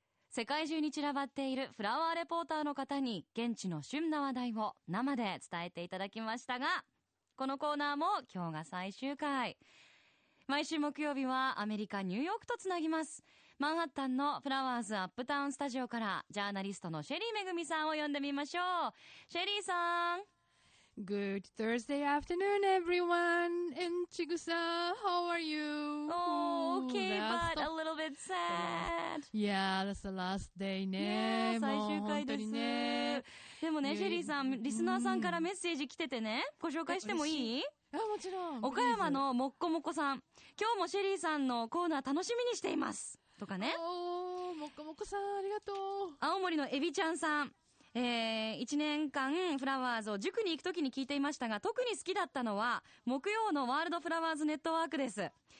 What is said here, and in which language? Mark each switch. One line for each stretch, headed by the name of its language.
Japanese: 世界中に散らばっているフラワーレポーターの方に現地の旬な話題を生で伝えていただきましたが、このコーナーも今日が最終回。毎週木曜日はアメリカ・ニューヨークとつなぎます。マンハッタンのフラワーズアップタウンスタジオからジャーナリストのシェリーめぐみさんを呼んでみましょう。シェリーさん、
English: Good Thursday afternoon everyone. And Chigusa, how are you? Oh, okay, but a little bit sad. Yeah, that's the last day ね。
Japanese: 最終回です。でもね、シェリーさん、リスナーさんからメッセージ来ててね、ご紹介してもいい？あ、もちろん。岡山のもっこもこさん、今日もシェリーさんのコーナー楽しみにしていますとかね。おー、もっこもこさん、ありがとう。青森のエビちゃんさん、1年間フラワーズを塾に行くときに聞いていましたが、特に好きだったのは木曜のワールドフラワーズネットワークです。